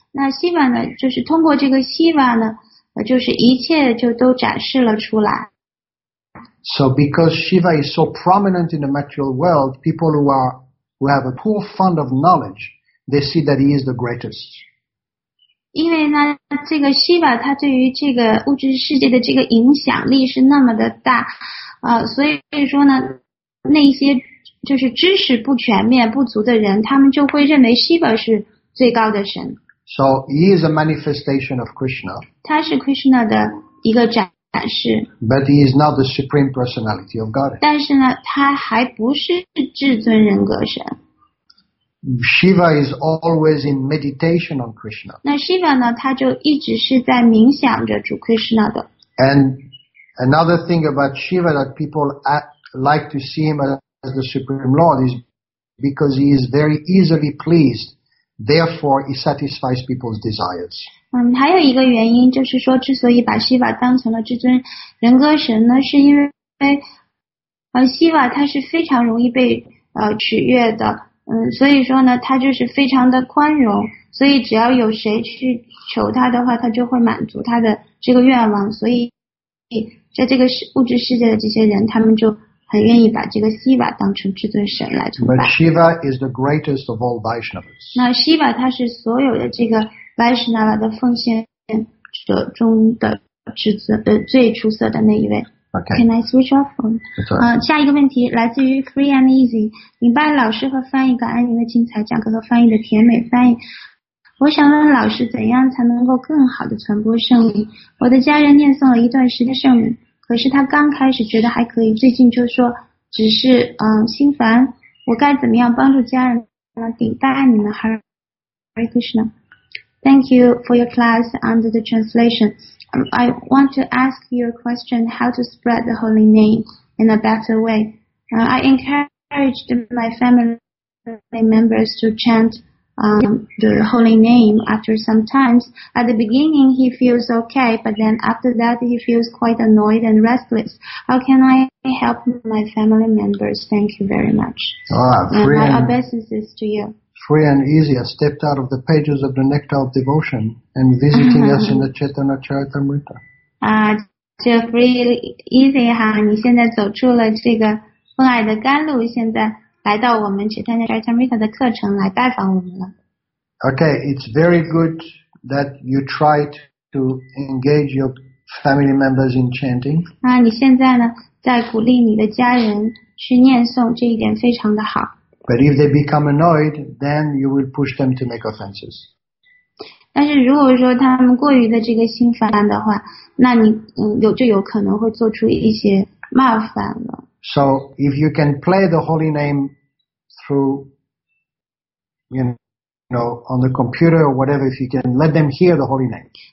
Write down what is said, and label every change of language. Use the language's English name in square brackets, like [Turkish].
[Chinese] 那希望呢，就是通过这个希望呢，就是一切就都展示了出来。 [English] So because Shiva is so prominent in the material world, people who have a poor fund of knowledge, they see that he is the greatest. [Chinese] 因为呢，这个希望它对于这个物质世界的这个影响力是那么的大，所以说呢，那些。就是知识不全面不足的人，他们就会认为 Shiva 是最高的神。 [English] So he is a manifestation of Krishna. [Chinese] 他是 Krishna 的一个展示。 [English] But he is not the supreme personality of God. [Chinese] 但是呢，他还不是至尊人格神。 [English] Shiva is always in meditation on Krishna. [Chinese] 那 Shiva 呢，他就一直是在冥想着主 Krishna 的。 [English] And another thing about Shiva that people like to see him as the Supreme Lord is because he is very easily pleased Therefore, it satisfies people's desires. [Chinese] 还有一个原因就是说，之所以把希瓦当成了至尊人格神呢，是因为，希瓦他是非常容易被取悦的，所以说呢，他就是非常的宽容，所以只要有谁去求他的话，他就会满足他的这个愿望。所以，在这个物质世界的这些人，他们就很愿意把这个希瓦当成至尊神来崇拜。 [English] But Shiva is the greatest of all Vaishnavas. [Chinese] 那希瓦他是所有的这个Vaishnava 的奉献者中的至尊最出色的那一位。 [English] Okay. Can I switch off? [Chinese] 下一个问题来自于 Free and Easy. 明白老师和翻译感恩您的精彩讲课和翻译的甜美翻译。我想问老师怎样才能够更好的传播圣名。我的家人念诵了一段时间圣名，可是他刚开始觉得还可以，最近就说只是心烦。我该怎么样帮助家人呢？顶戴爱你们 Hare Krishna. [English] Thank you for your class and the translation. I want to ask you a question, how to spread the holy name in a better way. I encouraged my family members to chant the holy name after some time. At the beginning, he feels okay, but then after that, he feels quite annoyed and restless. How can I help my family members? Thank you very much. My obeisances to you. Free and Easy has stepped out of the pages of the Nectar of Devotion and visiting us in the Chaitanya Charitamrita. [Chinese] Free and Easy 哈，你现在走出了这个风爱的甘露，现在来到我们 Chaitanya Charitamrita 的课程来拜访我们了。 [English] Okay, it's very good that you tried to engage your family members in chanting. [Chinese] 你现在呢，在鼓励你的家人去念诵，这一点非常的好。 [English] But if they become annoyed, then you will push them to make offenses. [Chinese] 但是如果说他们过于的这个心烦的话，那你就有可能会做出一些冒犯了。 [English] So if you can play the holy name through, on the computer or whatever, if you can let them hear the holy name.